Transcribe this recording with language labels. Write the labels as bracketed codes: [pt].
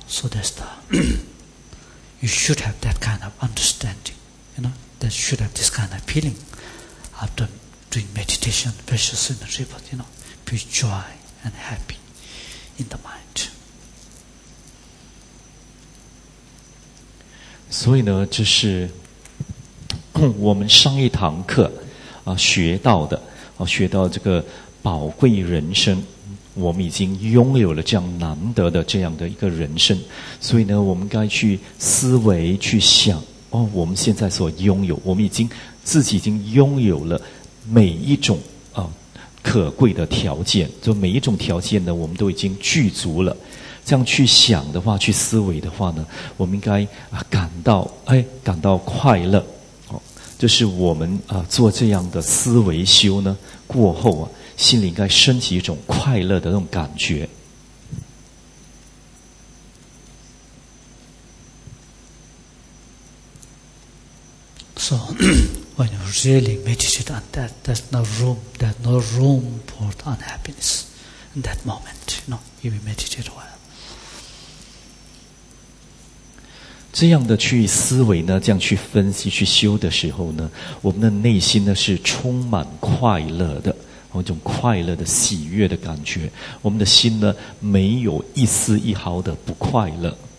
[en] So that's the, you should have that kind of understanding, you know. That should have this kind of feeling after doing meditation, precious human rebirth, you know, be joy and happy in the mind. [zh] 所以呢，这是我们上一堂课啊学到的，啊，学到这个宝贵人生，我们已经拥有了这样难得的这样的一个人生，所以呢，我们该去思维去想，哦，我们现在所拥有，我们已经自己已经拥有了每一种啊，可贵的条件，就每一种条件呢，我们都已经具足了。这样去想的话，去思维的话呢，我们应该啊感到哎感到快乐。哦，这是我们啊做这样的思维修呢过后啊，心里应该升起一种快乐的那种感觉。 [en] So. When you really meditate on that, there's no room for the unhappiness in that moment, you know, if you meditate well. [zh] 这样的去思维呢，这样去分析、去修的时候呢，我们的内心呢是充满快乐的，一种快乐的、喜悦的感觉。我们的心呢，没有一丝一毫的不快乐。